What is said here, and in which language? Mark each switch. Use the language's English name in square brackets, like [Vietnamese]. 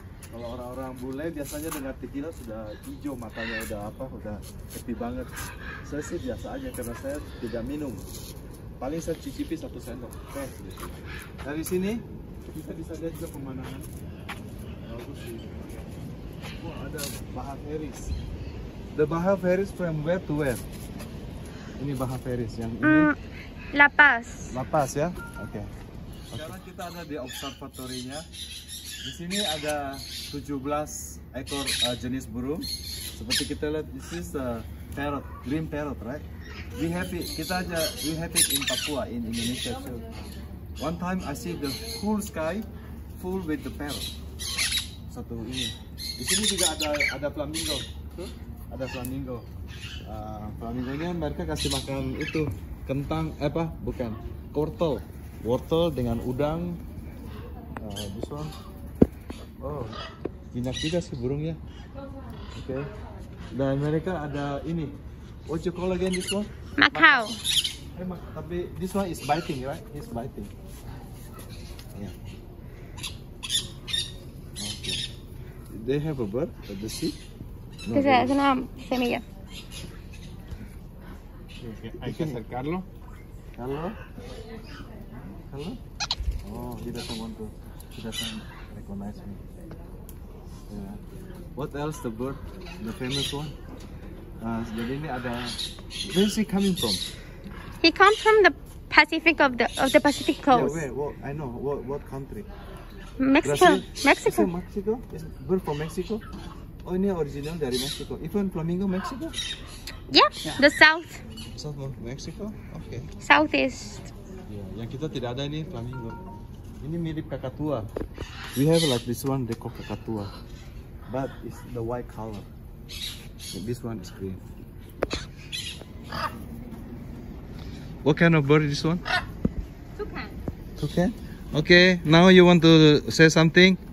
[Indonesian] Kalau orang-orang bule biasanya dengar tequila sudah hijau matanya udah apa udah happy banget. Saya sih biasa aja karena saya tidak minum. paling saya cicipi 1 sendok teh. Dari sini kita bisa lihat juga pemandangan bagus sih. Wah, ada bahar feris. [English] The bahar feris from where to where? [Indonesian] Ini bahar feris yang ini. La Paz. La Paz ya. Oke. Okay. Sekarang kita ada di observatorinya. Di sini ada 17 ekor jenis burung. Seperti kita lihat, [English] this is a parrot, green parrot, right? We have it, [Indonesian] kita aja, [English] we have it in Papua, in Indonesia too. One time I see the full sky, full with the parrot. [Indonesian] Satu ini. Di sini juga ada flamingo. Ada flamingo. Flamingo ini mereka kasih makan itu, kentang, apa, bukan, wortel. Wortel dengan udang. [English] This one. [Indonesian] Oh, jinak juga sih burungnya. Oke. Okay. Dan mereka ada ini. [English] What you call again this one? Macaw. [Indonesian] Tapi [English] this one is biting, right? It's biting. Yeah. Okay. They have a bird at the sea? No, it's a semilla. Okay, [Spanish] hay que acercarlo. [English] Hello? Hello? Oh, he doesn't want to. He doesn't recognize me. Yeah. What else the bird, the famous one? [Indonesian] Jadi ini ada. [English] Where is he coming from? He comes from the Pacific of the Pacific coast. Yeah, where? Well, I know. What country? Mexico. Brazil? Mexico. Is it Mexico? Is bird from Mexico? Oh, ini original dari Mexico. Even flamingo Mexico? Yeah, the south. South of Mexico? Okay. Southeast. [Indonesian] Yeah, yang kita tidak ada ini flamingo. Ini mirip kakatua. [English] We have like this one, they call kakatua. But it's the white color. And this one is green. What kind of bird is this one? Toucan. Toucan? Okay, now you want to say something?